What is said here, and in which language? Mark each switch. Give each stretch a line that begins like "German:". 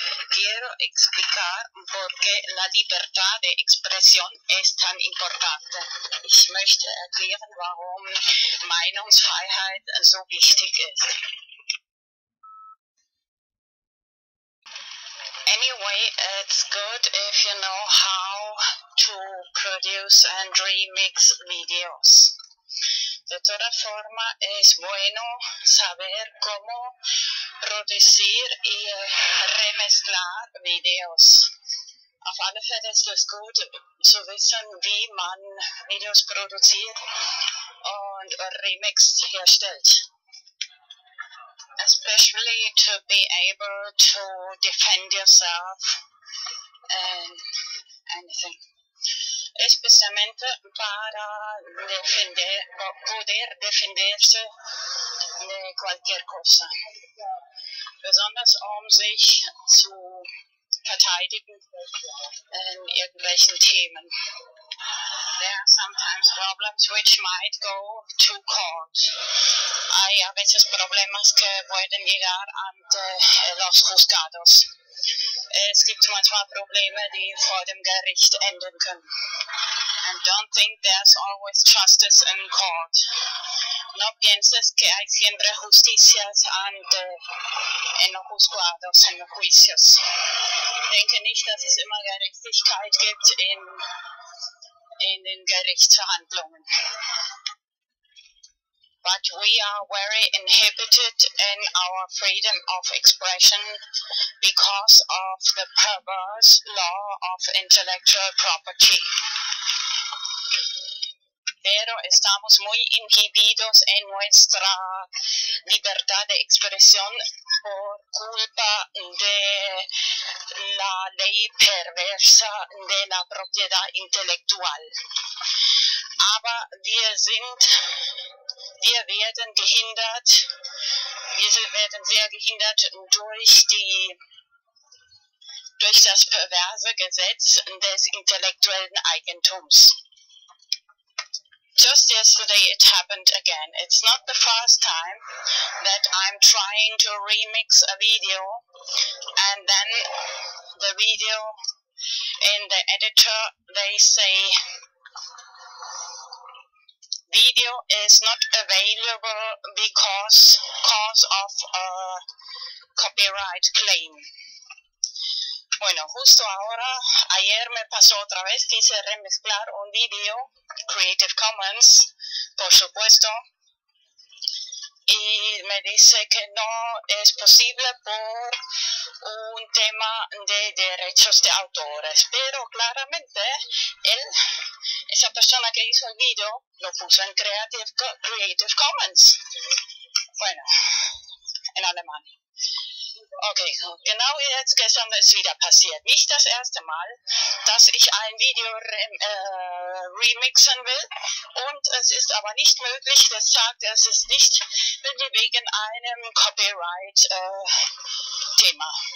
Spanish: Quiero explicar por qué la libertad de expresión es tan importante.
German: Ich möchte erklären, warum Meinungsfreiheit so wichtig ist.
English: Anyway, it's good if you know how to produce and remix videos.
Spanish: De toda forma, es bueno saber cómo producir y remezclar videos.
German: Auf alle Fälle ist es gut zu wissen, wie man Videos produziert und Remix herstellt.
English: Especially to be able to defend yourself and anything.
Spanish: Especialmente para poder defenderse de cualquier cosa.
German: Besonders sich zu verteidigen in irgendwelchen Themen.
English: There are sometimes problems which might go to court.
Spanish: Hay a veces problemas que pueden llegar ante los juzgados.
German: Es gibt manchmal Probleme, die vor dem Gericht enden können.
English: And don't think there's always justice in court.
Spanish: No pienses que hay siempre justicias ante en los juzgados, en los juicios.
German: Denke nicht, dass es immer Gerechtigkeit gibt in den Gerichtsverhandlungen.
English: But we are very inhibited in our freedom of expression because of the perverse law of intellectual property.
Spanish: Pero estamos muy inhibidos en nuestra libertad de expresión por culpa de la ley perversa de la propiedad intelectual.
German: Aber wir werden sehr gehindert durch das perverse Gesetz des intellektuellen Eigentums.
English: Just yesterday it happened again. It's not the first time that I'm trying to remix a video and then the video in the editor, they say, video is not available because of a copyright claim.
Spanish: Bueno, justo ahora, ayer me pasó otra vez, quise remezclar un video, Creative Commons, por supuesto, y me dice que no es posible por un tema de derechos de autores, pero claramente él, esa persona que hizo el video, lo puso en Creative Commons. Bueno, en alemán.
German: Okay, genau wie jetzt gestern ist wieder passiert. Nicht das erste Mal, dass ich ein Video remixen will und es ist aber nicht möglich, das sagt, es ist nicht wegen einem Copyright-Thema.